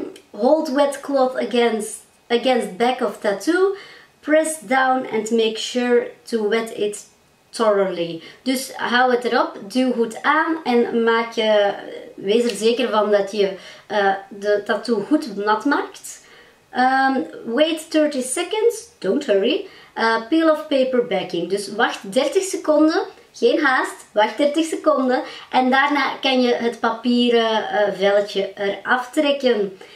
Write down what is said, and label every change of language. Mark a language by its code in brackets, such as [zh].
[en] Hold wet cloth against back of tattoo. Press down and make sure to wet it thoroughly. [nl] Dus hou het erop, duw goed aan en maak je, wees er zeker van dat je de tattoo goed nat maakt. [en] Wait 30 seconds, don't hurry. Peel off paper backing. [nl] Dus wacht 30 seconden, geen haast, wacht 30 seconden. En daarna kan je het papieren velletje eraf trekken.